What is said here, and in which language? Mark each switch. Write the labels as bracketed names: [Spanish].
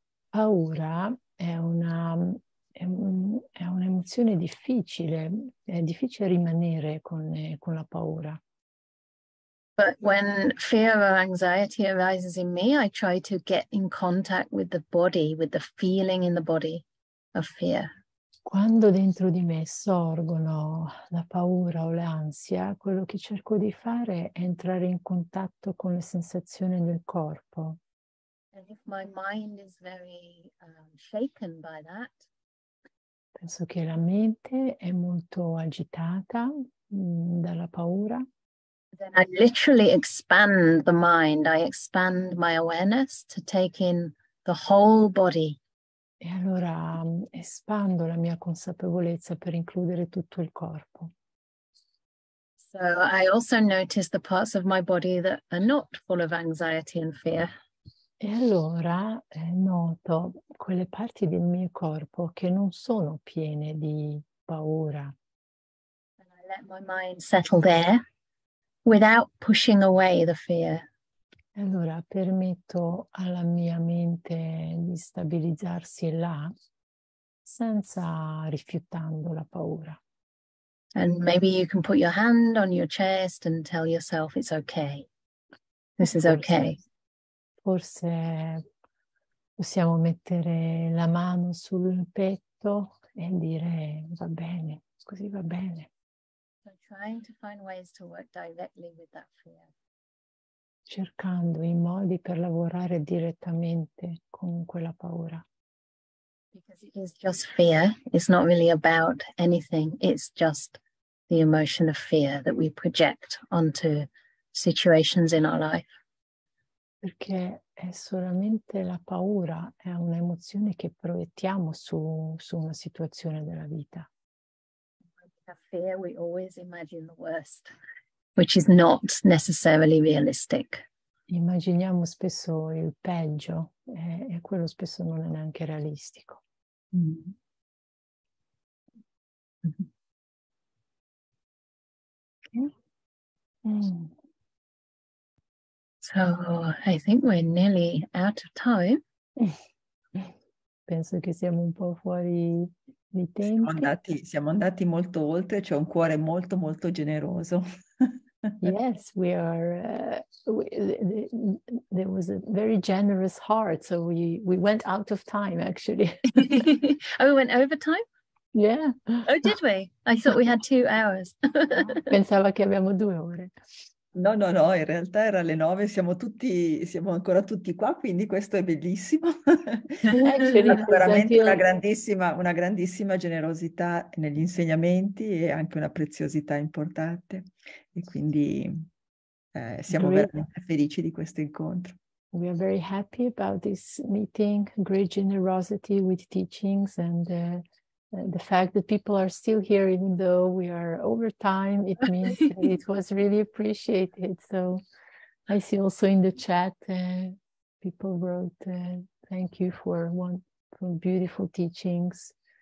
[Italian] Paura è un'emozione difficile, è difficile rimanere con la paura. [English] But when fear or anxiety arises in me, I try to get in contact with the body, with the feeling in the body of fear. [Italian] Quando dentro di me sorgono la paura o l'ansia, quello che cerco di fare è entrare in contatto con le sensazioni del corpo. [English] And if my mind is very shaken by that, [Italian] penso che la mente è molto agitata dalla paura. [English] Then I literally expand the mind, I expand my awareness to take in the whole body. [Italian] E allora espando la mia consapevolezza per includere tutto il corpo. [English] So I also notice the parts of my body that are not full of anxiety and fear. [Italian] E allora noto quelle parti del mio corpo che non sono piene di paura. [English] And I let my mind settle there without pushing away the fear. [Italian] E allora permetto alla mia mente di stabilizzarsi là senza rifiutando la paura. [English] And maybe you can put your hand on your chest and tell yourself it's okay. This is okay. [Italian] Forse possiamo mettere la mano sul petto e dire va bene, così va bene. [English] So trying to find ways to work directly with that fear. [Italian] Cercando i modi per lavorare direttamente con quella paura. [English] Because it is just fear, it's not really about anything, it's just the emotion of fear that we project onto situations in our life. [Italian] Perché è solamente la paura, è un'emozione che proiettiamo su una situazione della vita. [English] Fear, we always imagine the worst, which is not necessarily realistic. [Italian] Immaginiamo spesso il peggio, e quello spesso non è neanche realistico. Mm. [English] So I think we're nearly out of time. [Italian] Penso che siamo un po' fuori di tempo. Siamo andati molto oltre, c'è un cuore molto molto generoso. [English] Yes, we are. There was a very generous heart, so we went out of time actually. Oh, we went over time? Yeah. Oh, did we? I thought we had 2 hours. [Italian] Pensavo che abbiamo 2 ore. No, no, no, in realtà era le 9, siamo ancora tutti qua, quindi questo è bellissimo. Veramente una grandissima generosità negli insegnamenti e anche una preziosità importante. E quindi siamo veramente felici di questo incontro. [English] We are very happy about this meeting, great generosity with teachings and the fact that people are still here, even though we are over time, it means it was really appreciated. So I see also in the chat, people wrote, thank you for beautiful teachings.